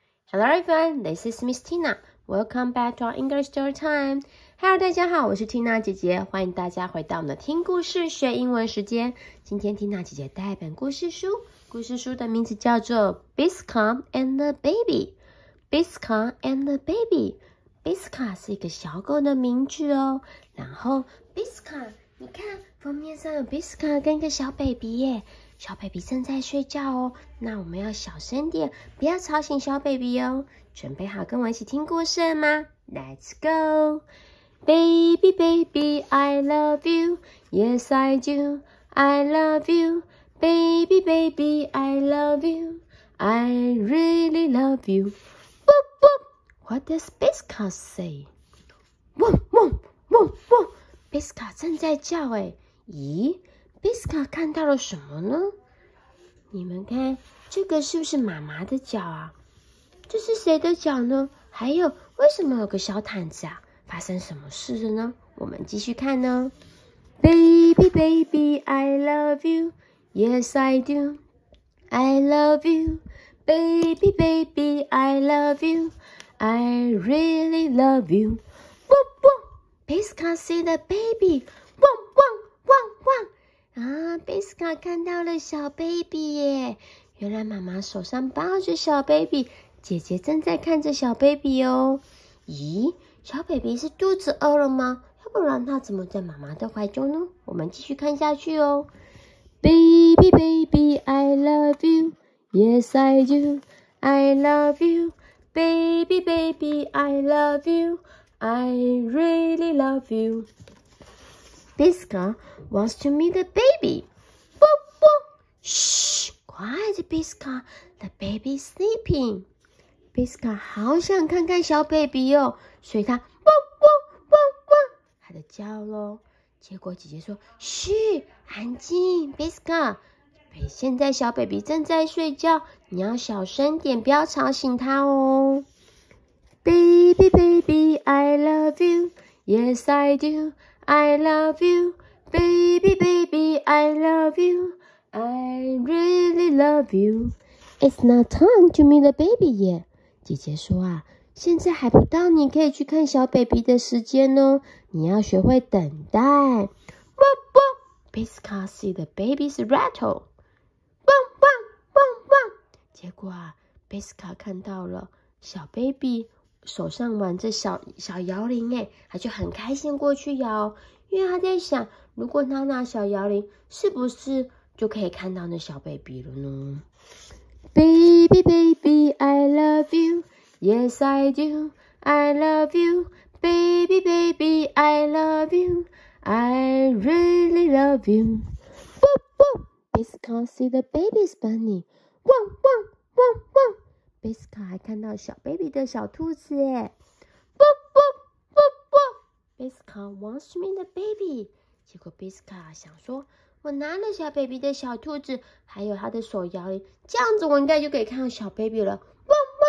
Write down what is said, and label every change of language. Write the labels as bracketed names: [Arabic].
[English] Hello everyone, this is Miss Tina. Welcome back to our English Story Time. [Chinese] Hello, 大家好，我是 Tina 姐姐，欢迎大家回到我们的听故事学英文时间。今天 Tina 姐姐带一本故事书，故事书的名字叫做 Biscom and the Baby。 [English] Biscom and the Baby。 [Chinese] Biscom 是一个小狗的名字哦。然后 Biscom， 你看封面上有 Biscom 跟一个小 baby 耶。小 baby 正在睡觉哦，那我们要小声点，不要吵醒小 baby 哦。准备好跟我一起听故事吗 [English] ？Let's go， baby baby I love you， yes I do， I love you， baby baby I love you， I really love you。 Boop boop， what does Biscom say？ Boop boop boop boop， Biscom [Chinese] 正在叫哎，咦？ Biscom 看到了什么呢？你们看，这个是不是妈妈的脚啊？这是谁的脚呢？还有，为什么有个小毯子啊？发生什么事了呢？我们继续看呢。 [English] Baby, baby, I love you. Yes, I do. I love you. Baby, baby, I love you. I really love you. 汪汪 ！Biscom see the baby. 汪汪汪汪！ [Chinese] 啊 ，Biscom 看到了小 baby 耶！原来妈妈手上抱着小 baby， 姐姐正在看着小 baby 哦。咦，小 baby 是肚子饿了吗？要不然他怎么在妈妈的怀中呢？我们继续看下去哦。 [English] Baby, baby, I love you. Yes, I do. I love you. Baby, baby, I love you. I really love you. Biscom wants to meet the baby. Boop, boop. Shh, quiet, Biscom. The baby's sleeping. [Chinese] Biscom 好想看看小 baby 哦，所以他汪汪汪汪，他的叫咯。结果姐姐说，嘘，安静 ，Biscom。现在小 baby 正在睡觉，你要小声点，不要吵醒他哦。 [English] Baby, baby, I love you. Yes, I do. I love you, baby, baby, I love you, I really love you. It's not time to meet the baby yet. [Chinese] 姐姐说啊，现在还不到你可以去看小 baby 的时间哦，你要学会等待。 [English] 汪汪 ，Biscom see the baby's rattle. [Chinese] 汪汪汪汪，结果啊 ，Biscom 看到了小 baby。手上玩着小小摇铃耶，他就很开心过去摇，因为他在想，如果他拿小摇铃，是不是就可以看到那小 baby 了呢 ？ [English] Baby, baby, I love you. Yes, I do. I love you. Baby, baby, I love you. I really love you. Boop boop. Biscom see the baby's bunny. 汪汪汪汪。 [Chinese] Biscom 还看到小 baby 的小兔子耶，啵啵啵啵。 [English] Biscom wants to meet the baby， [Chinese] 结果 Biscom 想说，我拿了小 baby 的小兔子，还有他的手摇铃，这样子我应该就可以看到小 baby 了，汪汪汪汪。